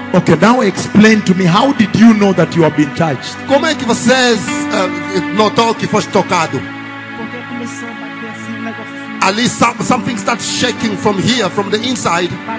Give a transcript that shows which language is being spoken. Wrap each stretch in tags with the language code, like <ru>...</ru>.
<en>Okay, now explain to me, how did you know that you have been touched?</en> <pt>Como é que vocês notou que foste tocado?</pt> <en>At least something starts shaking from here, from the inside.</en>